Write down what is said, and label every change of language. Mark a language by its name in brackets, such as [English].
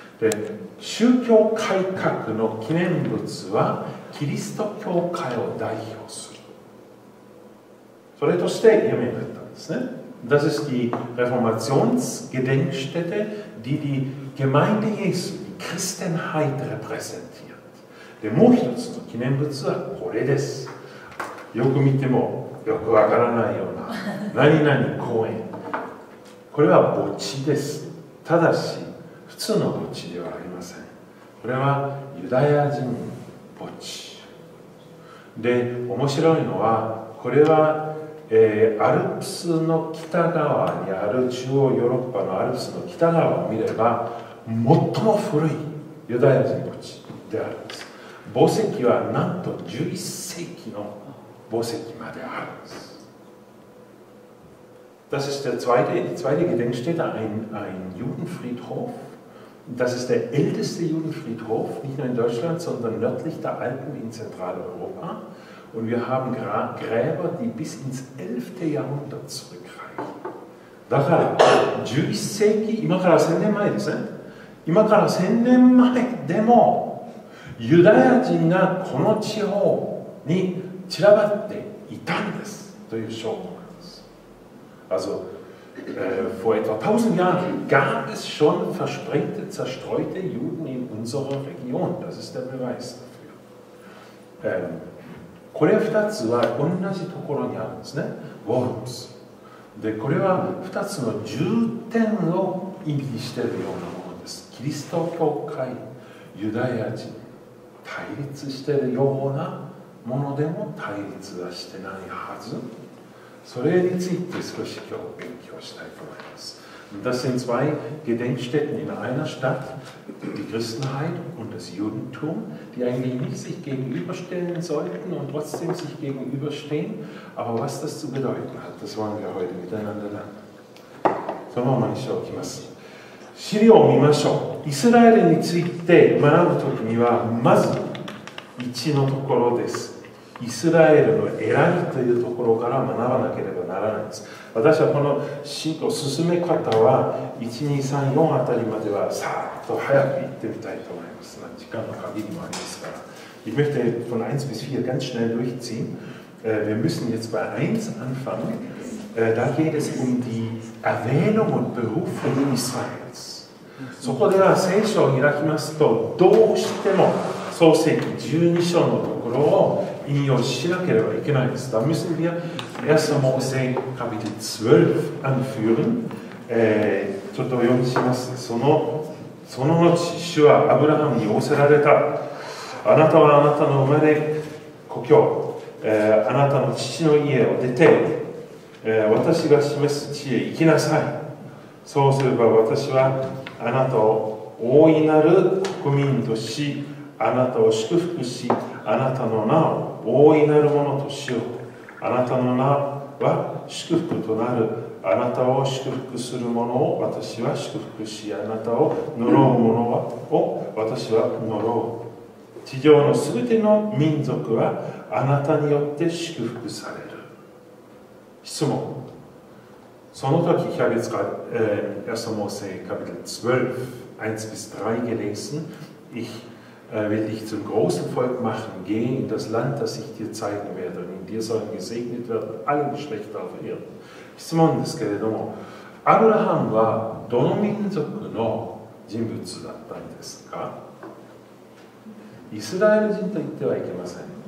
[Japanese] で、宗教改革の記念物はキリスト教会を代表する。それとして有名だったんですね。 [German] Das ist die Reformationsgedenkstätte, die die Gemeinde Jesu, die Christenheit repräsentiert. [Japanese] で、もう一つの記念物はこれです。よく見てもよくわからないような何々公園。これは墓地です。ただし、普通の墓地ではありません。これはユダヤ人墓地。で、面白いのは、これはアルプスの北側にある中央ヨーロッパのアルプスの北側を見れば最も古いユダヤ人墓地であるんです。墓石はなんと11世紀の墓石まであるんです。 [German] Das ist der zweite, die zweite Gedenkstätte, ein Judenfriedhof. Das ist der älteste Judenfriedhof, nicht nur in Deutschland, sondern nördlich der Alpen in Zentraleuropa. Und wir haben Gräber, die bis ins 11. Jahrhundert zurückreichen. [Japanese] だから、11世紀、今から1000年前ですね。今から1000年前でも、ユダヤ人がこの地方に散らばっていたんですという証拠なんです。 [German] Also, vor etwa 1000 Jahren gab es schon versprengte, zerstreute Juden in unserer Region. Das ist der Beweis dafür. [Japanese] これ2つは同じところにあるんですね。 Worms。で、これは2つの重点を意味しているようなものです。キリスト教会、ユダヤ人、対立しているようなものでも対立はしてないはず。それについて少し今日勉強したいと思います。 [German] Das sind zwei Gedenkstätten in einer Stadt, die Christenheit und das Judentum, die eigentlich nicht sich gegenüberstellen sollten und trotzdem sich gegenüberstehen. Aber was das zu bedeuten hat, das wollen wir heute miteinander lernen. [Japanese] そのままにしておきます。資料を見ましょう。イスラエルについて学ぶときには、まず1のところです。イスラエルの選びというところから学ばなければならないんです。私はこの進歩進め方は1、2、3、4あたりまではさーっと早く行ってみたいと思います。時間の限りもありますから。 [German] Ich möchte von 1 bis 4 ganz schnell durchziehen. Wir müssen jetzt bei 1 anfangen. Da geht es die Erwähnung und Berufung Israels. [Japanese] そこでは聖書を開きますと、どうしても創世記12章のところを引用しなければいけないです。 [German] Da müssen wir 1. Mose Kapitel 12 anführen. [Japanese] ちょっと読みします。その後、主はアブラハムに仰せられた。あなたはあなたの生まれ故郷、あなたの父の家を出て、私が示す地へ行きなさい。そうすれば私はあなたを大いなる国民とし、あなたを祝福し、あなたの名を大いなるものとしよう。あなたの名は祝福となる。あなたを祝福するものを私は祝福し、あなたを呪うものを私は呪う。地上のすべての民族はあなたによって祝福される。質問。その時キャベツが1. [German] Mose Kapitel 12 1 bis 3 gelesen. Ichwill dich zum großen Volk machen, geh in das Land, das ich dir zeigen werde, und in dir sollen gesegnet werden alle Geschlechter auf Erden. [Japanese] 質問ですけれども、アブラハムはどの民族の人物だったんですか？イスラエル人と言ってはいけません。